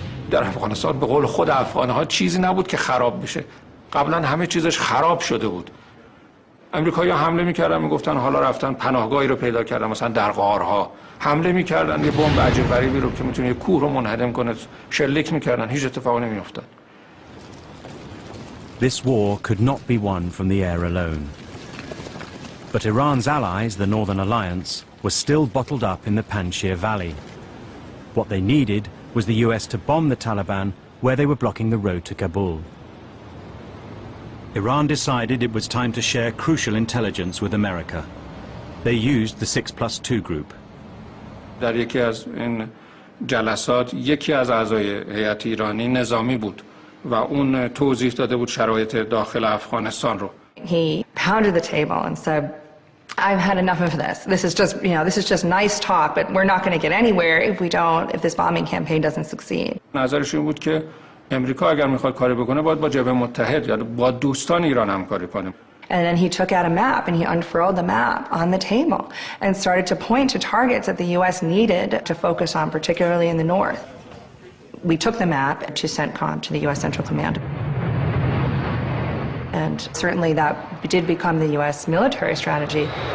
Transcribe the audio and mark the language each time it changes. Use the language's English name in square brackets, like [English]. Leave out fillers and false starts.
[Persian] در افغانستان به قول خود افغان‌ها چیزی نبود که خراب بشه. قبلا همه چیزش خراب شده بود. آمریکایی‌ها حمله می‌کردن می‌گفتن حالا رفتن پناهگاهی رو پیدا کردن مثلا در غارها حمله می‌کردن یه بمب عجیب غریبی رو که می‌تونه کوه رو منهدم کنه شلیک می‌کردن هیچ اتفاقی نمی‌افتاد. [English] This war could not be won from the air alone. But Iran's allies, the Northern Alliance, were still bottled up in the Panjshir Valley. What they needed was the US to bomb the Taliban where they were blocking the road to Kabul. Iran decided it was time to share crucial intelligence with America. They used the 6+2 group. [Persian] در یکی از این جلسات یکی از اعضای هیئت ایرانی نظامی بود و اون توضیح داده بود شرایط داخل افغانستان رو. [English] He pounded the table and said, "I've had enough of this. This is just, you know, this is just nice talk, but we're not going to get anywhere if we don't, if this bombing campaign doesn't succeed." [Persian] نظرش این بود که امریکا اگر میخواد کاری بکنه باید با جبهه متحد یا با دوستان ایران همکاری کنه. [English] And then he took out a map and he unfurled the map on the table and started to point to targets that the US needed to focus on, particularly in the north. We took the map to CENTCOM, to the US Central Command. And certainly that did become the US military strategy.